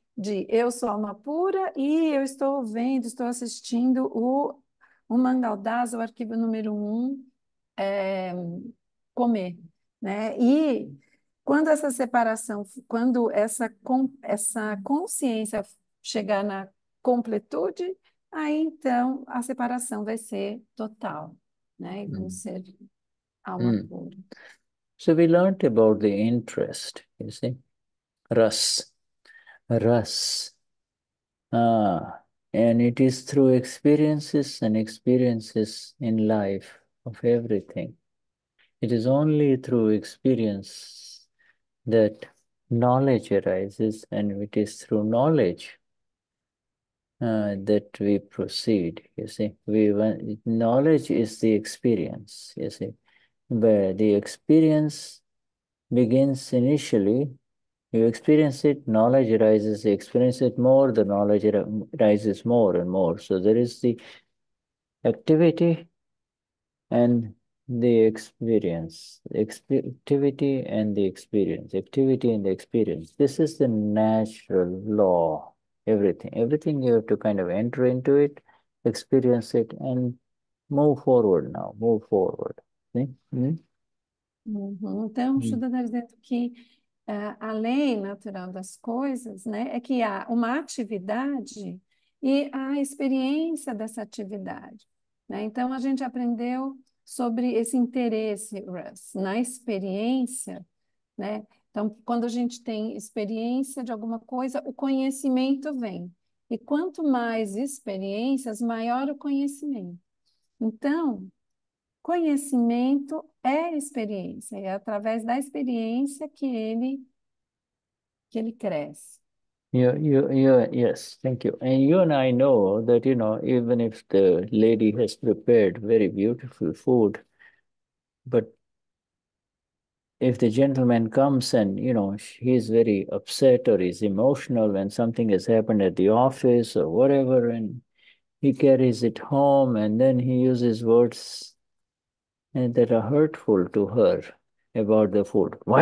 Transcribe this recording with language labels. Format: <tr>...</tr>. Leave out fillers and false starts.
<pt>De eu sou alma pura e eu estou vendo, estou assistindo o Mangaldas, o arquivo número um, é comer, né? E quando essa separação, quando essa consciência chegar na completude, aí então a separação vai ser total, né? Vamos ser alma pura.</pt> <en>So we learnt about the interest, you see. Ras. Ras. And it is through experiences and experiences in life of everything. It is only through experience that knowledge arises, and it is through knowledge that we proceed, you see. Knowledge is the experience, you see, where the experience begins initially. You experience it, knowledge arises, you experience it more, the knowledge arises more and more. So there is the activity and the experience, activity and the experience, activity and the experience. This is the natural law. Everything you have to kind of enter into it, experience it, and move forward now. Move forward. See?</en> <pt>Então, o Shuddha está dizendo que, além natural das coisas, né, é que há uma atividade e a experiência dessa atividade. Né? Então, a gente aprendeu sobre esse interesse, Russ, na experiência, né? Então, quando a gente tem experiência de alguma coisa, o conhecimento vem. E quanto mais experiências, maior o conhecimento. Então, conhecimento é experiência, é através da experiência que ele cresce.</pt> <en>Yes, thank you. And you and I know that, even if the lady has prepared very beautiful food, but if the gentleman comes and, he's very upset or he's emotional and something has happened at the office or whatever, and he carries it home and then he uses words that are hurtful to her about the food.</en>